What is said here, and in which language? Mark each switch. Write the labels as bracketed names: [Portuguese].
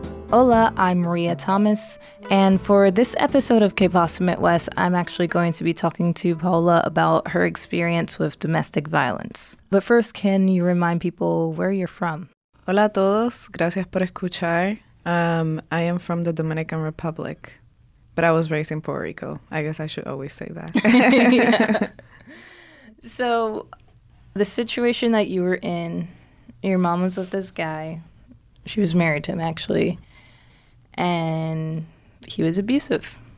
[English] Hola, I'm Maria Thomas, and for this episode of ¿Qué pasa Midwest, I'm actually going to be talking to Paola about her experience with domestic violence. But first, can you remind people where you're from? [Spanish] Hola a todos, gracias por escuchar. [English] I am from the Dominican Republic, but I was raised in Puerto Rico. I guess I should always say that. So, the situation that you were in, your mom was with this guy. She was married to him, actually. And he was abusive.